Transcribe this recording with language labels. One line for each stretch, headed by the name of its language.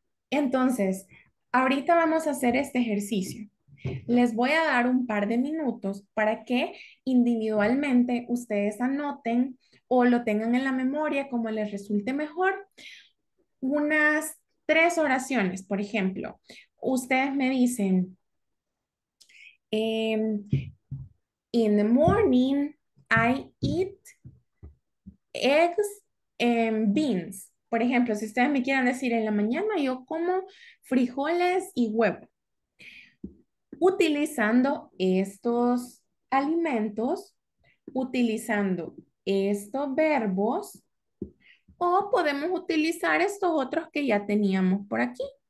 Spanish: Entonces, ahorita vamos a hacer este ejercicio. Les voy a dar un par de minutos para que individualmente ustedes anoten o lo tengan en la memoria como les resulte mejor. Unas tres oraciones, por ejemplo. Ustedes me dicen,
English: in the morning I eat eggs and beans.
Spanish: Por ejemplo, si ustedes me quieren decir, en la mañana yo como frijoles y huevo. Utilizando estos alimentos, utilizando estos verbos, o podemos utilizar estos otros que ya teníamos por aquí.